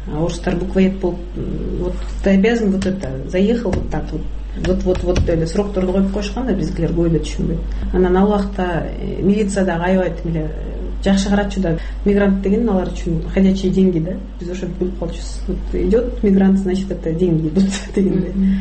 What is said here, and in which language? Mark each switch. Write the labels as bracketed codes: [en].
[ru] А [ky] орустар [ru] буквоед [ky] болуп [ru] вот ты обязан вот это заехал вот так вот. Вот [ky] деп эле срокторду коюп коюшкан да, биздикилер көп эле түшүнбөйт. Анан ал убакта милиция дагы аябай тим эле жакшы каратчу да. Мигрант деген алар үчүн [ru] ходячие деньги [ky] да. Биз ошентип билип калчубуз. [ru] Вот идет мигрант, значит это деньги идут [ky] дегендей.